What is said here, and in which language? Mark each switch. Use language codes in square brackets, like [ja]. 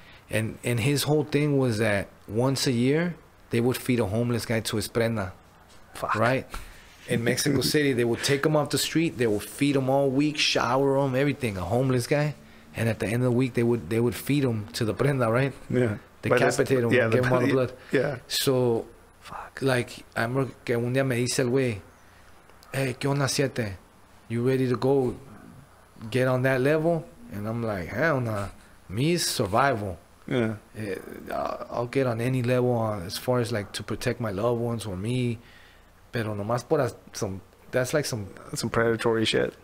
[en] And his whole thing was that once a year, they would feed a homeless guy to his prenda. Fuck. Right? In Mexico City, they would take him off the street. They would feed him all week, shower him, everything. A homeless guy. And at the end of the week, they would feed him to the prenda, right? Yeah. Decapitate him, give him all the blood. Yeah. So, fuck. Like, I remember [es] que un día me dice el güey, hey, ¿qué onda, siete? [en] You ready to go get on that level? And I'm like, hell nah. Me is survival. Yeah. I'll get on any level as far as like to protect my loved ones or me. [es] Pero nomás por [en] that's like some predatory shit.